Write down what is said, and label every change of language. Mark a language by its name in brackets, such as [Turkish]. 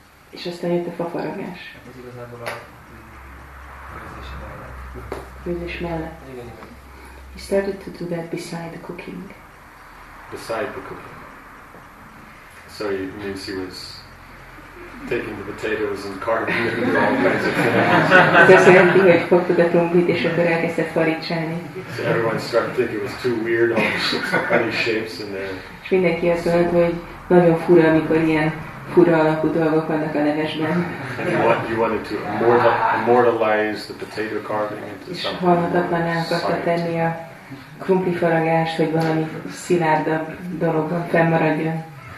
[Hungarian] És aztán jött a fafaragás. Ez igazából a főzés mellett. Főzés mellett. Igen, igen. [English] He started to do that beside the cooking. Beside the cooking. So it means he was taking the potatoes and carving them and all kinds of things. [Hungarian] Ez olyan tűnik, hogy fogtad a trombit, és akkor elkezdett farigcsálni. [English] So everyone started to think it was too weird, all the funny shapes in there. [Hungarian] És mindenki azt mondta, hogy nagyon fura, amikor ilyen fura alakú dolgok vannak a levesben. [English] You wanted to immortalize the potato carving into something. [Hungarian] És halhatatlan el akarta tenni a krumpli faragást, hogy valami szilárdabb dologban fennmaradjon.